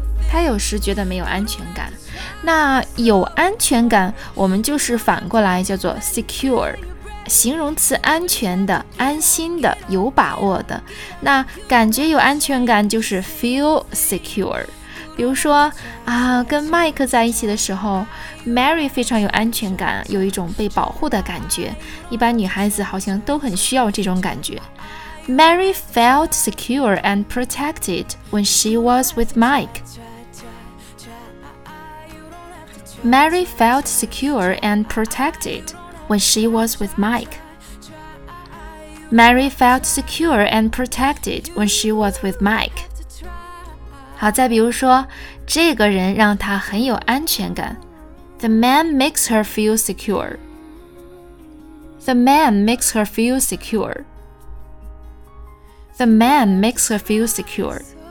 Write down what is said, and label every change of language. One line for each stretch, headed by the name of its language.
Chinese: 她有时觉得没有安全感。那有安全感，我们就是反过来叫做 secure， 形容词，安全的，安心的，有把握的。那感觉有安全感就是 feel secure。比如说啊，跟麦克在一起的时候， Mary 非常有安全感，有一种被保护的感觉。一般女孩子好像都很需要这种感觉。
English: Mary felt secure and protected when she was with Mike. Mary felt secure and protected when she was with Mike. Mary felt secure and protected when she was with Mike.
Chinese: 好，再比如说，这个人让她很有安全感。
English: The man makes her feel secure. The man makes her feel secure. The man makes her feel secure.